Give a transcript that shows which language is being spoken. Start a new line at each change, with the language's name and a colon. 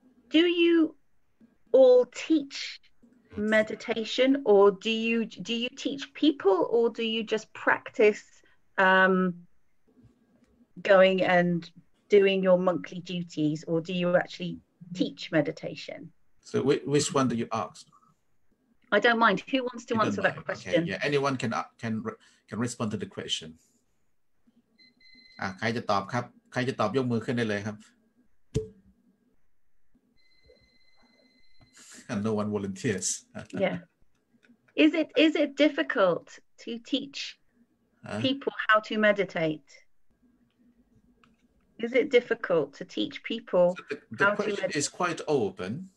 English: Do you all teach meditation, or do you teach people, or do you just practice going and doing your monthly duties, or do you actually teach meditation? So which one do you ask? I don't mind. Who wants to answer that question? Okay. Yeah, anyone can respond to the question.
Thai: ใครจะตอบครับ ใครจะตอบยกมือขึ้นได้เลยครับ
English: And no one volunteers. Yeah. Is it difficult to teach people how to meditate? Is it difficult to teach people how to meditate? The question is quite open.